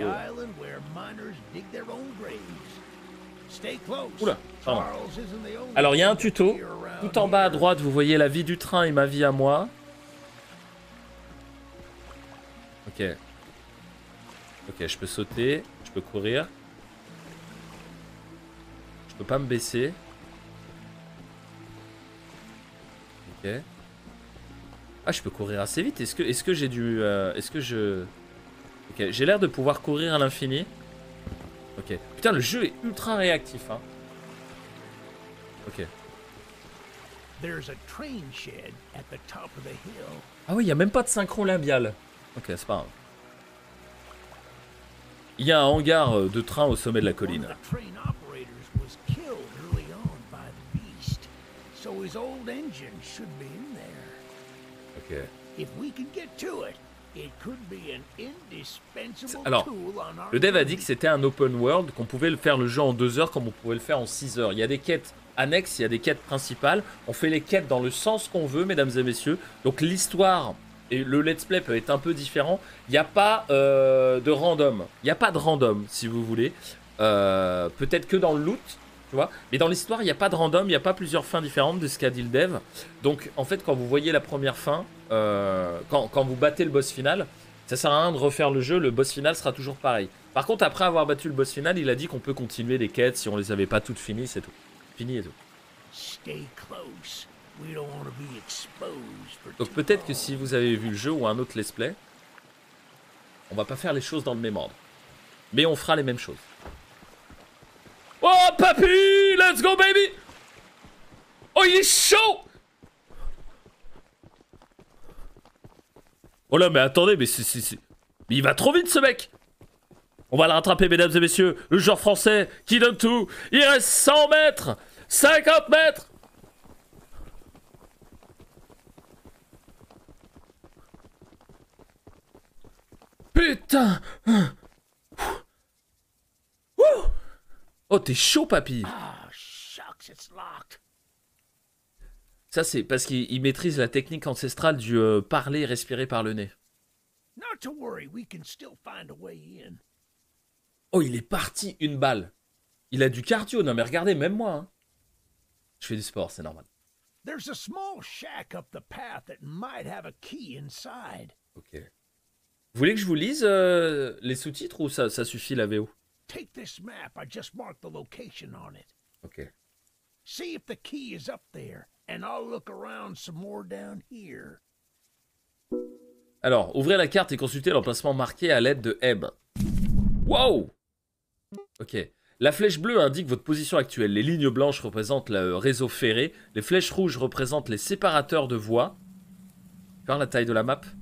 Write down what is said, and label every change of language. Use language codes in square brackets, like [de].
[en] the island where miners dig their own graves. Stay close. [fr] Oula, pardon. Alors, il y a un tuto. Tout en bas à droite, vous voyez la vie du train et ma vie à moi. Ok. Ok, je peux sauter. Je peux courir. Je peux pas me baisser. Ok. Ah, je peux courir assez vite. Est-ce que j'ai du... Ok, j'ai l'air de pouvoir courir à l'infini. Ok. Putain, le jeu est ultra réactif, hein. Ok. [en] There's a train shed at the top of the hill. [fr] Ah oui, il y a même pas de synchro labial. Ok, c'est pas grave. Il y a un hangar de train au sommet de la colline. [en] One of the train operators was killed early on by the beast, so his old engine should be in there. Ok. If we can get to it. It could be an indispensable tool. [fr] Alors, le dev a dit que c'était un open world, qu'on pouvait le faire le jeu en 2 heures comme on pouvait le faire en 6 heures. Il y a des quêtes annexes, il y a des quêtes principales. On fait les quêtes dans le sens qu'on veut, mesdames et messieurs. Donc l'histoire et le let's play peut être un peu différent. Il n'y a pas de random. Il n'y a pas de random, si vous voulez. Peut-être que dans le loot, tu vois. Mais dans l'histoire, il n'y a pas de random. Il n'y a pas plusieurs fins différentes de ce qu'a dit le dev. Donc, en fait, quand vous voyez la première fin... Quand vous battez le boss final, ça sert à rien de refaire le jeu, le boss final sera toujours pareil. Par contre, après avoir battu le boss final, il a dit qu'on peut continuer les quêtes si on les avait pas toutes finies, c'est tout. Fini et tout. [en] Stay close. We don't want to be exposed for too long. [fr] Donc peut-être que si vous avez vu le jeu ou un autre let's play, on va pas faire les choses dans le même ordre. Mais on fera les mêmes choses. Oh, papy! [en] Let's go, baby! [fr] Oh, il est chaud! Oh là, mais attendez, mais c'est... Mais il va trop vite, ce mec! On va le rattraper, mesdames et messieurs. Le joueur français qui donne tout. Il reste 100 mètres! 50 mètres! Putain! Oh, t'es chaud, papy! [en] Ah, shucks, it's locked. [fr] Ça, c'est parce qu'il maîtrise la technique ancestrale du parler et respirer par le nez. [en] Not to worry, we can still find a way in. [fr] Oh, il est parti une balle. Il a du cardio. Non, mais regardez, même moi. Hein. Je fais du sport, c'est normal. [en] There's a small shack up the path that might have a key inside. Ok. [fr] Vous voulez que je vous lise les sous-titres ou ça suffit la VO? [en] Take this map. I just marked the location on it. Ok. See if the key is up there. And I'll look around some more down here. [fr] Alors, ouvrez la carte et consultez l'emplacement marqué à l'aide de M. Wow! Ok. La flèche bleue indique votre position actuelle. Les lignes blanches représentent le réseau ferré. Les flèches rouges représentent les séparateurs de voies. Tu vois la taille de la map?